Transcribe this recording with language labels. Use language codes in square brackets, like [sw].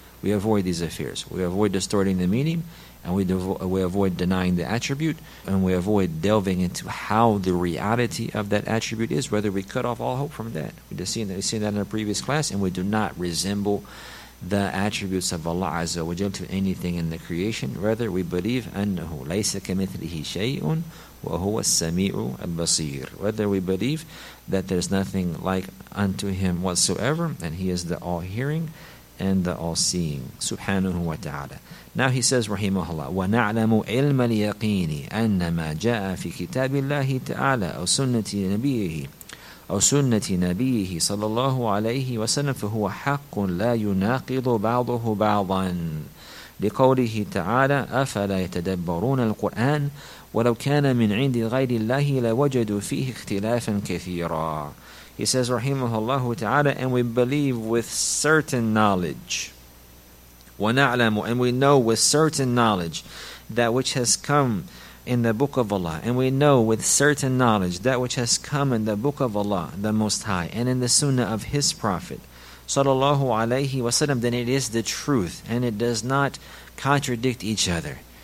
[en] We avoid these affairs. We avoid distorting the meaning, and we avoid denying the attribute, and we avoid delving into how the reality of that attribute is, whether we cut off all hope from that. We've seen that in a previous class, and we do not resemble the attributes of Allah Azza wa Jal to anything in the creation. Rather, we believe [ar] أَنَّهُ لَيْسَ كَمِثْلِهِ شَيْءٌ وَهُوَ السَّمِيعُ الْبَصِيرُ. [en] Whether we believe that there's nothing like unto Him whatsoever, and He is the all-hearing and the all-seeing. Subhanahu wa ta'ala. Now he says, [ar] rahimahullah, وَنَعْلَمُ عِلْمَ الْيَقِينِ أَنَّ مَا جَاءَ فِي كِتَابِ اللَّهِ تَعَالَى أَوْ سُنَّةِ نَبِيِّهِ أَوْ سُنَّةِ نَبِيِّهِ صَلَى اللَّهُ عَلَيْهِ وَسَلَّمْ فَهُوَ حَقٌّ لَا يُنَاقِضُ بَعْضُهُ بَعْضًا لقوله تعالى أَفَلَا يَتَدَبَّرُونَ الْقُرْآنَ وَلَوْ كَانَ مِنْ عِنْدِ غَيْرِ اللَّهِ لَوَجَدُوا فِيهِ اخْتِلَافًا كَثِيرًا. [en] He says, rahimahullahu ta'ala, and we believe with certain knowledge, [ar] وَنَعْلَمُ, [en] and we know with certain knowledge, that which has come in the book of Allah, and we know with certain knowledge that which has come in the book of Allah, the Most High, and in the Sunnah of His Prophet, sallallahu alayhi wa sallam, then it is the truth, and it does not contradict each other.